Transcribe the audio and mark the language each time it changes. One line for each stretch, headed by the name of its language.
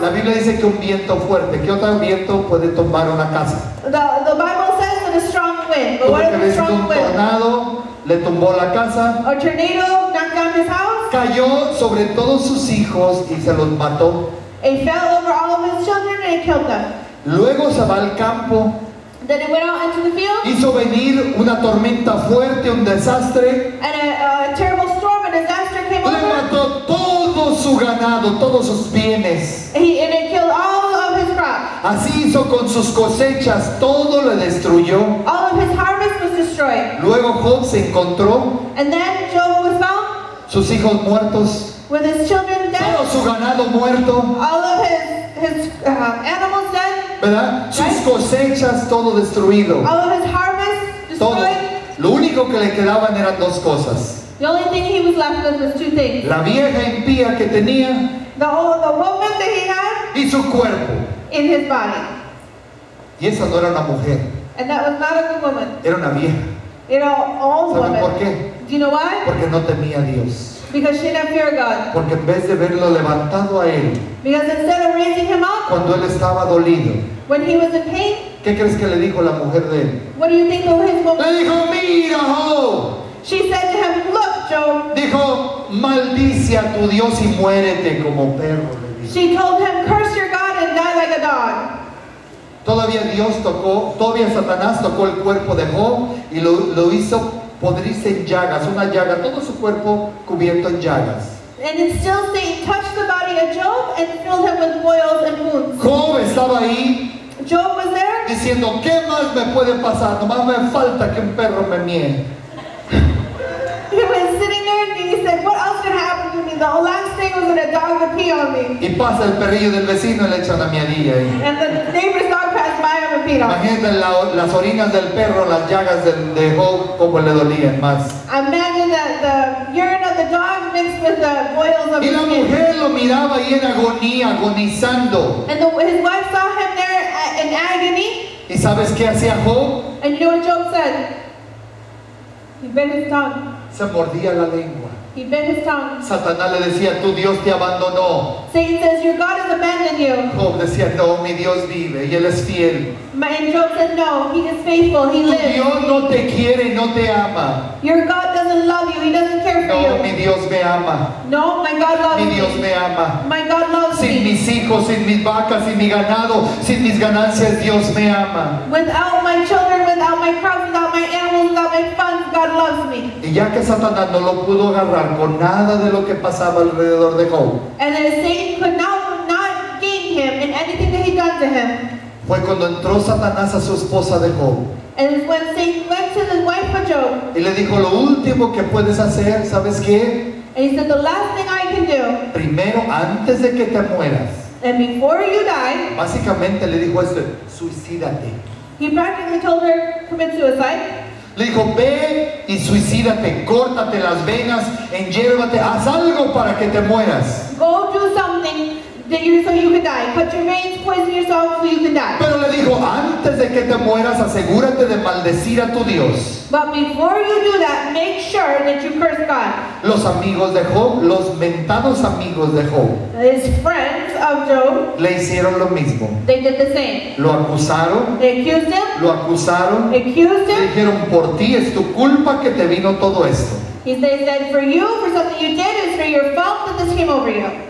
Spanish: La Biblia dice que un viento fuerte. ¿Qué otro viento puede tumbar una casa?
English: The Bible says that a strong wind. But what is a strong wind?
Spanish: Un tornado le tumbó la casa.
English: A tornado knocked down his house.
Spanish: Cayó sobre todos sus hijos y se los mató.
English: He fell over all of his children and killed them.
Spanish: Luego se va al campo.
English: Then it went out into the field.
Spanish: Hizo venir una tormenta fuerte, un desastre.
English: And a terrible storm, a disaster came over.
Spanish: Le mató todo su ganado, todos sus bienes.
English: And it killed all of his crops.
Spanish: Así hizo con sus cosechas, todo lo destruyó.
English: All of his harvest was destroyed.
Spanish: Luego Job se encontró.
English: And then Job was found.
Spanish: Sus hijos muertos.
English: With his children dead.
Spanish: Todo su ganado muerto.
English: All of his animals dead.
Spanish: ¿Verdad? Sus
English: right?
Spanish: cosechas todo destruido.
English: All of his harvest destroyed.
Spanish: Todo. Lo único que le quedaban eran dos cosas.
English: The only thing he was left with was two things.
Spanish: La vieja impía que tenía.
English: The woman that he had.
Spanish: Y su cuerpo.
English: In his body.
Spanish: Y esa no era una mujer.
English: And that was not a good woman.
Spanish: Era una vieja. Era
English: old woman.
Spanish: ¿Por qué?
English: Do you know why?
Spanish: Porque no temía a Dios.
English: Because she didn't fear God.
Spanish: Porque en vez de verlo levantado a él.
English: Because instead of raising him up.
Spanish: Cuando él estaba dolido.
English: When he was in pain.
Spanish: ¿Qué crees que le dijo la mujer de él?
English: What do you think of his woman?
Spanish: Le dijo, mira, Job.
English: She said to him, look, Job.
Spanish: Dijo, maldice a tu Dios y muérete como perro. Le dijo.
English: She told him, curse your God and die like a dog.
Spanish: Todavía Dios tocó, todavía Satanás tocó el cuerpo de Job y lo hizo podrirse en llagas, una llaga, todo su cuerpo cubierto en llagas.
English: And it still says, touched the body of Job and filled him with boils and wounds.
Spanish: Job estaba ahí.
English: Job was there.
Spanish: Diciendo, ¿qué más me puede pasar? Nomás me falta que un perro me mie.
English: He was sitting there and he said, what else could happen to me? The last thing was that a dog would pee on me.
Spanish: Y pasa el perrillo del vecino y le echa una miadilla ahí.
English: And the neighbor's dog passed by and peed on me.
Spanish: Imagínate las orinas del perro, las llagas de Job, cómo le dolían más.
English: Imagine that the urine of the dog mixed with the boils of his skin.
Spanish: Y la mujer lo miraba ahí en agonía, agonizando.
English: And his wife saw him there in agony.
Spanish: ¿Y sabes qué hacía Job?
English: And you know what Job said? He bent his tongue.
Spanish: Se mordía la lengua.
English: He bent his tongue.
Spanish: Satanás le decía, tu Dios te abandonó.
English: Satan says, your God has abandoned you.
Spanish: Job decía, no, mi Dios vive y él es fiel.
English: And Job said, no, he is faithful, he lives.
Spanish: Tu Dios no te quiere, no te ama.
English: Your God doesn't love you, he doesn't care for
Spanish: no,
English: you.
Spanish: No, mi Dios me ama.
English: No, my God loves me.
Spanish: Mi Dios me ama.
English: My God loves
Spanish: sin
English: me.
Spanish: Sin mis hijos, sin mis vacas, sin mi ganado, sin mis ganancias, Dios me ama.
English: Without my children, without my crops, without my animals, without my funds, God loves me.
Spanish: Y ya que Satanás no lo pudo agarrar con nada de lo que pasaba alrededor de Job.
English: And as Satan could not gain him in anything that he done to him.
Spanish: Fue cuando entró Satanás a su esposa de Job.
English: And it's when Satan went to the wife of Job.
Spanish: Y le dijo, lo último que puedes hacer, ¿sabes qué?
English: And he said, the last thing I can do.
Spanish: Primero, antes de que te mueras.
English: And before you die.
Spanish: Básicamente le dijo esto, suicídate.
English: He practically told her, commit suicide.
Spanish: Le dijo, ve y suicídate, córtate las venas, enyérvate, haz algo para que te mueras.
English: Go do something. That you, so you can die. Put your veins, poison yourself so you can die.
Spanish: Pero le dijo, antes de que te mueras, asegúrate de maldecir a tu Dios.
English: But before you do that, make sure that you curse God.
Spanish: Los amigos de Job, los mentados amigos de Job.
English: His friends of Job.
Spanish: Le hicieron lo mismo.
English: They did the same.
Spanish: Lo acusaron.
English: They accused him.
Spanish: Lo acusaron.
English: Accused him.
Spanish: Le dijeron, por ti es tu culpa que te vino todo esto.
English: They said, for you, for something you did, it's for your fault that this came over you.